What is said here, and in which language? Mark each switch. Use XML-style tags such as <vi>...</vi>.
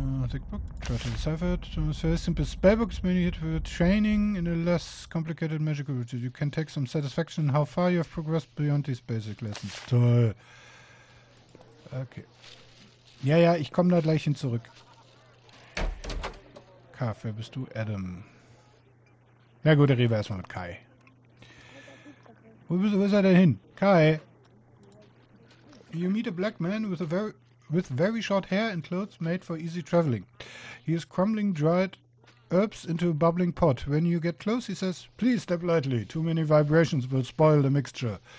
<en>Thick book, try to decipher it. It's very simple spellbooks, many hit with training in a less complicated magical routine. You can take some satisfaction in how far you have progressed beyond these basic lessons.</en> <de>Toll. Okay. Ja, ja, ich komme da gleich hin zurück. Kaff, wer bist du? Adam. Na gut, dann reden wir erstmal mit Kai. Wo ist er denn hin? Kai!</de> <en>You meet a black man with a very... With very short hair and clothes made for easy traveling. He is crumbling dried herbs into a bubbling pot. When you get close, he says, please step lightly. Too many vibrations will spoil the mixture.</en>